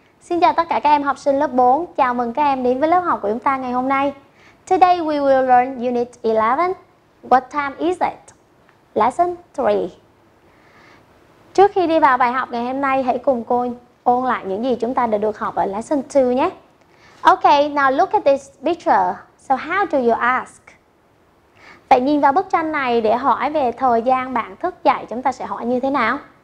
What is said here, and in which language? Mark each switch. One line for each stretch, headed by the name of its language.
Vietnamese: Xin chào tất cả các em học sinh lớp 4, chào mừng các em đến với lớp học của chúng ta ngày hôm nay.
English: Today we will learn unit 11, what time is it? Lesson 3.
Vietnamese: Trước khi đi vào bài học ngày hôm nay, hãy cùng cô ôn lại những gì chúng ta đã được học ở lesson 2 nhé.
English: Okay, now look at this picture. So how do you ask?
Vietnamese: Vậy nhìn vào bức tranh này để hỏi về thời gian bạn thức dậy, chúng ta sẽ hỏi như thế nào?